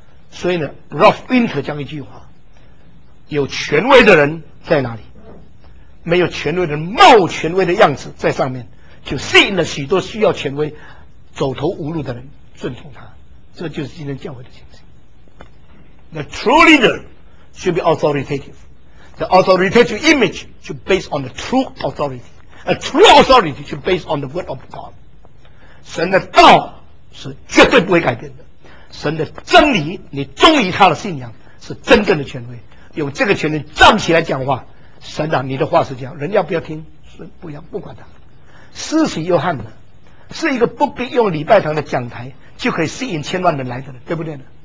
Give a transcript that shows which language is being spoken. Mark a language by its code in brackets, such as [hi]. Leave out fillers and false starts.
[zh] 所以呢 ，Ralph Winter 讲一句话：有权威的人在哪里？没有权威的人冒权威的样子在上面，就吸引了许多需要权威、走投无路的人顺从他。这就是今天教会的情形。 [en] The true leader should be authoritative. The authoritative image should base on the true authority. A true authority should base on the word of God. [zh] 神的道是绝对不会改变的，神的真理，你忠于他的信仰是真正的权威。有这个权威站起来讲话，神啊，你的话是这样，人家不要听，不要不管他。施洗约翰呢，是一个不必用礼拜堂的讲台就可以吸引千万人来的人，对不对呢？